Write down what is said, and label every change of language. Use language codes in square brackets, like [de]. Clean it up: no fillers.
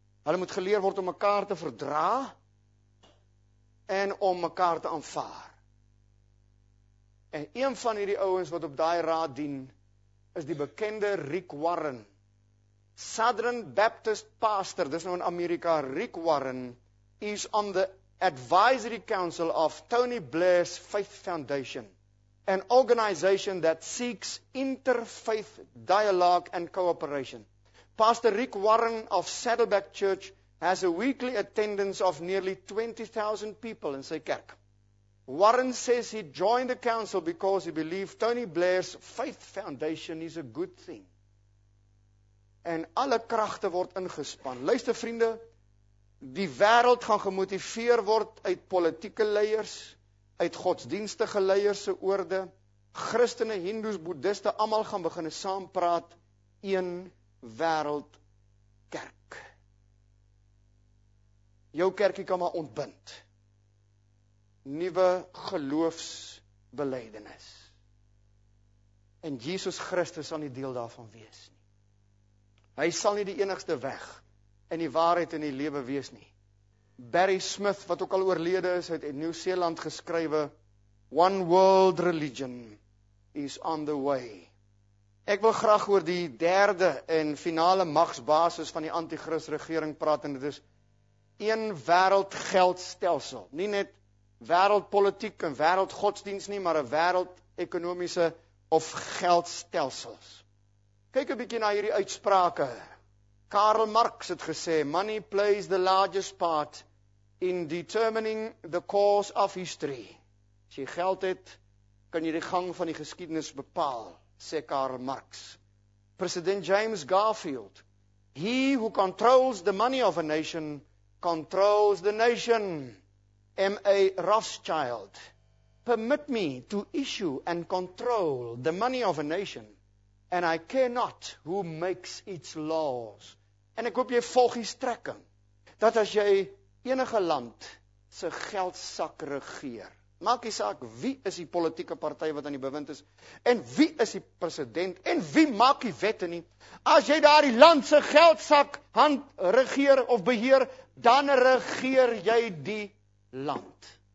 [af] Hulle moet geleer word om mekaar te verdra en om mekaar te aanvaar. En een van hierdie ouens wat op daai raad dien, is die bekende Rick Warren. [en] Southern Baptist pastor, [af] dis nou in Amerika, [en] Rick Warren, is on the advisory council of Tony Blair's Faith Foundation, an organization that seeks interfaith dialogue and cooperation. Pastor Rick Warren of Saddleback Church has a weekly attendance of nearly 20,000 people in [af] sy kerk. [en] Warren says he joined the council because he believed Tony Blair's Faith Foundation is a good thing. [af] En alle kragte word ingespan. Luister vriende, die wêreld gaan gemotiveer word uit politieke leiers, uit godsdienstige leiers se oorde, Christene, Hindoes, Boeddhiste, almal gaan begin saam praat, een wêreld kerk. Jou kerkie kan maar ontbind. Nuwe geloofsbelijdenis. En Jesus Christus sal nie deel daarvan wees nie. Hy sal nie die enigste weg in die waarheid en die lewe wees nie. Barry Smith, wat ook al oorlede is, het in Nieu-Seeland geskrywe, [en] One World Religion is on the way. [af] Ek wil graag oor die derde en finale magsbasis van die Antichrist regering praat, en dit is een wêreld geldstelsel. Nie net wêreldpolitiek en wêreldgodsdienst nie, maar een wêreld ekonomiese of geldstelsels. Kyk 'n bietjie na hierdie uitsprake. Karl Marx het gesê, [en] money plays the largest part in determining the course of history. [af] As jy geld het, kan jy die gang van die geskiedenis bepaal, sê Karl Marx. [en] President James Garfield, he who controls the money of a nation, controls the nation. M.A. Rothschild, permit me to issue and control the money of a nation, and I care not who makes its laws. [af] En ek hoop jy volg die strekking, dat as jy enige land se geldsak regeer, maak die saak wie is die politieke partij wat aan die bewind is, en wie is die president, en wie maak die wette nie, as jy daar die land se geldsak hand regeer of beheer, dan regeer jy die land.